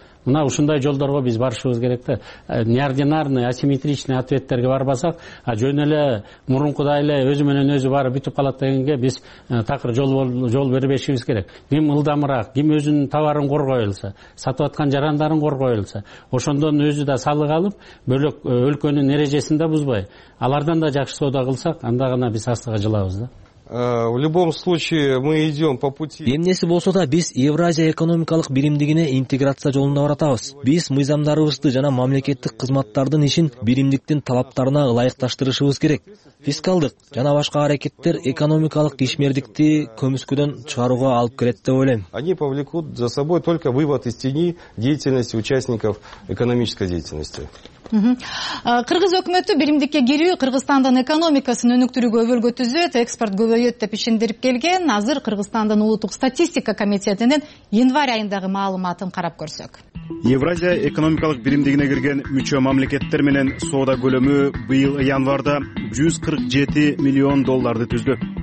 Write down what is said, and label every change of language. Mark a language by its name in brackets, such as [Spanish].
[Kyrgyz] Мына ушундай жолдорго биз барышыбыз керек да. [Russian] Неординарный асимметричный [Kyrgyz] ответтерге барбасак, а жөн эле мурункудай эле өзү менен өзү барып бүтүп калат дегенге биз такыр жол бербешибиз керек. Ким ылдамыраак, ким өзүнүн товарын коргой алса, сатып аткан жарандарын коргой алса, ошондон өзү да салык алып, бөлөк өлкөнүн эрежесин да бузбай, алардан да жакшы соода кылсак, анда гана биз астыга жылабыз да. [Russian] В любом случае мы идем по пути. [Kyrgyz] Эмнеси болсо да биз Евразия экономикалык биримдигине интеграция жолунда баратабыз. Биз мыйзамдарыбызды жана мамлекеттик кызматтардын ишин биримдиктин талаптарына ылайыкташтырышыбыз керек. Фискалдык жана башка аракеттер экономикалык ишмердикти көмүскөдөн чыгарууга алып келет деп ойлойм. [Russian] Они повлекут за собой только вывод из тени деятельности участников экономической деятельности. [Kyrgyz] Кыргыз өкмөтү биримдикке кирүү Кыргызстандын экономикасын өнүктүрүүгө өбөлгө түзөт, экспорт көбөйөт деп ишендирип келген. Азыр Кыргызстандын улуттук статистика комитетинин январь айындагы маалыматын карап көрсөк. Евразия экономикалык биримдигине кирген мүчө мамлекеттер менен соода көлөмү быйыл январда 147 миллион долларды түздү.